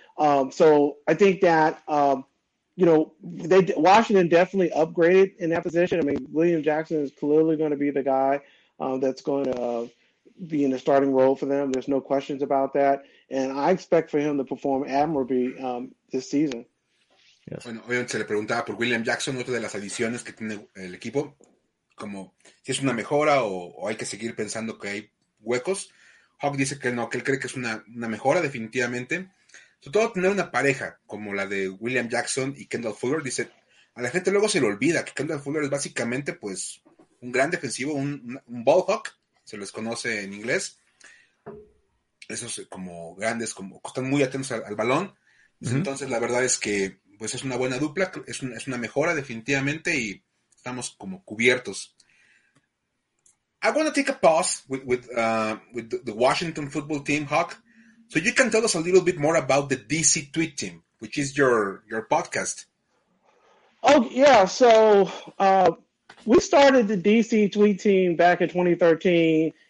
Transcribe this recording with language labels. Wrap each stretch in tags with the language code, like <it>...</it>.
<en>So I think that, you know, Washington definitely upgraded in that position. I mean, William Jackson is clearly going to be the guy that's going to be in the starting role for them. There's no questions about that. And I expect for him to perform admirably this season. Yes.</en> <es>Bueno, obviamente se le preguntaba por William Jackson, otra de las adiciones que tiene el equipo, como si es una mejora o hay que seguir pensando que hay huecos. Hawk dice que no, que él cree que es una mejora definitivamente. Sobre todo tener una pareja como la de William Jackson y Kendall Fuller, dice, a la gente luego se le olvida que Kendall Fuller es básicamente pues un gran defensivo, un ball hawk, se les conoce en inglés. Esos como grandes, como están muy atentos al balón. Uh-huh. Entonces la verdad es que pues es una buena dupla, es una mejora definitivamente y estamos como cubiertos.</es> <en>I want to take a pause with the Washington football team, Hawk. So you can tell us a little bit more about the DC Tweet Team, which is your podcast. Oh, yeah. So we started the DC Tweet Team back in 2013.</en>